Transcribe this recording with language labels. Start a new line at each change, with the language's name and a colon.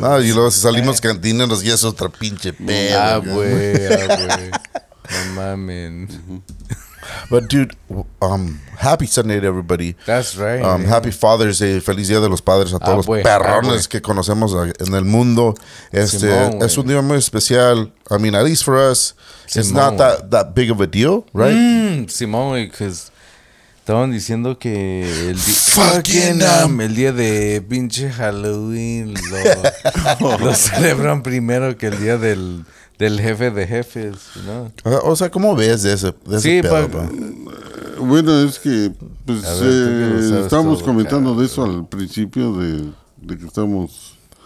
Spanish: No, y luego si salimos cantineros, ya es otra pinche pedo. Ah, güey. No mamen.
English: But dude, happy Sunday to everybody. That's right. Happy Father's Day.
Spanish: Feliz Día de los Padres a todos los perrones que conocemos en el mundo. Es un día muy especial.
English: I mean, at least for us, it's not that big of a deal, right?
Spanish: Simón,
English: because
Spanish: estaban diciendo que el día,
English: fucking
Spanish: el día de pinche Halloween lo celebran primero que el día del... Del jefe de jefes, ¿no? O sea, ¿cómo ves de ese sí, pedo, pa? Bueno, es que pues, estábamos comentando de eso al principio de que estamos